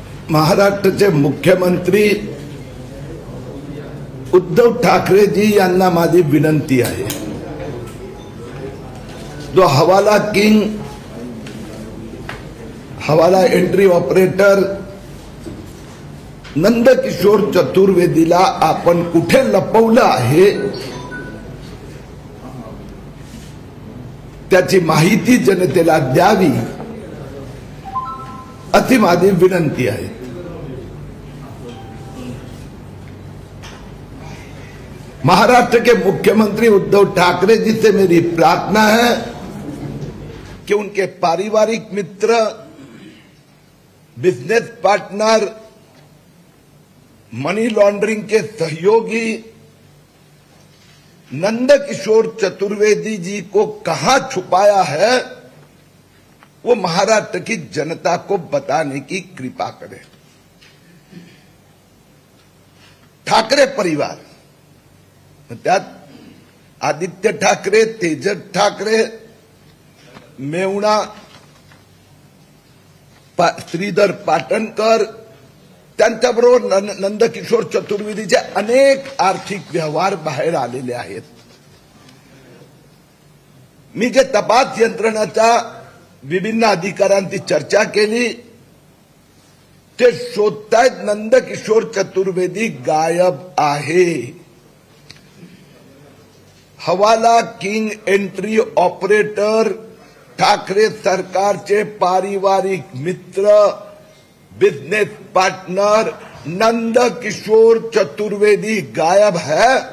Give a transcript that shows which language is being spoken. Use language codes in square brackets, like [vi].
[mr] महाराष्ट्राचे मुख्यमंत्री उद्धव ठाकरे जी यांना माझी विनंती आहे, जो हवाला किंग, हवाला एंट्री ऑपरेटर नंदकिशोर चतुर्वेदीला आपण कुठे लपवलं आहे त्याची माहिती जनतेला द्यावी, अति माझी विनंती आहे। [hi] महाराष्ट्र के मुख्यमंत्री उद्धव ठाकरे जी से मेरी प्रार्थना है कि उनके पारिवारिक मित्र, बिजनेस पार्टनर, मनी लॉन्ड्रिंग के सहयोगी नंदकिशोर चतुर्वेदी जी को कहां छुपाया है वो महाराष्ट्र की जनता को बताने की कृपा करें। [mr] ठाकरे परिवार मतलब आदित्य ठाकरे, तेज ठाकरे, मेवणा श्रीधर पाटणकर त्यांच्याबरोबर नंदकिशोर चतुर्वेदीचे अनेक आर्थिक व्यवहार बाहेर आलेले आहेत। मी जे तपास यंत्रणाचा विभिन्न अधिकाऱ्यांशी चर्चा केली ते शोधतायत नंदकिशोर चतुर्वेदी गायब आहे। हवाला किंग एंट्री ऑपरेटर ठाकरे सरकारचे पारिवारिक मित्र, बिजनेस पार्टनर नंदकिशोर चतुर्वेदी [hi] गायब है।